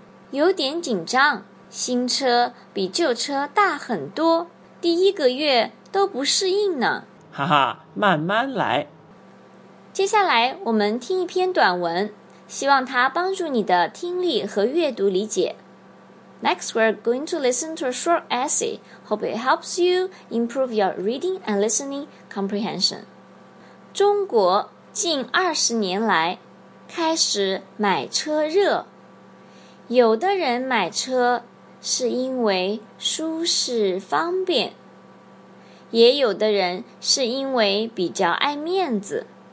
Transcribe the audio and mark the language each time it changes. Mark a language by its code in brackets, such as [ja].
[zh] 有点紧张，新车比旧车大很多，第一个月都不适应呢。哈哈，慢慢来。接下来我们听一篇短文，希望它帮助你的听力和阅读理解。 [en] Next, we're going to listen to a short essay. Hope it helps you improve your reading and listening comprehension. [zh] 中国近20年来开始买车热。有的人买车是因为舒适方便，也有的人是因为比较爱面子。